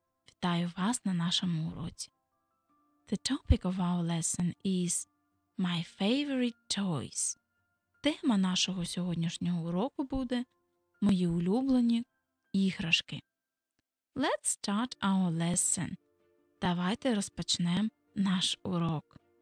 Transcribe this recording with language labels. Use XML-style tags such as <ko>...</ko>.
<uk>Вітаю вас на нашому уроці.</uk> <en>The topic of our lesson is my favorite toys.</en> <uk>Тема нашого сьогоднішнього уроку буде «Мої улюблені іграшки».</uk> <en>Let's start our lesson.</en> <uk>Давайте розпочнемо наш урок.</uk>